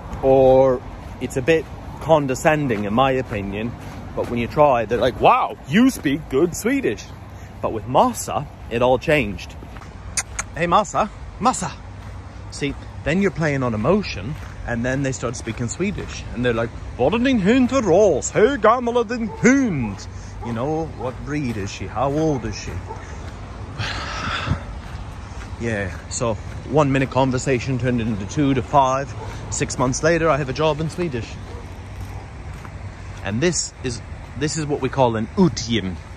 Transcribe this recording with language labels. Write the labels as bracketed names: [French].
[English] Or it's a bit condescending in my opinion, but when you try, they're like, wow, you speak good Swedish. But with Masa, it all changed. Hey Masa, Masa. See, then you're playing on emotion. And then they start speaking Swedish. And they're like, [Swedish] vad är din hund för ras? Hur gammal är din hund? [English] You know, what breed is she? How old is she? Yeah, so 1 minute conversation turned into 2 to 5. 6 months later, I have a job in Swedish. And this is what we call an utgym.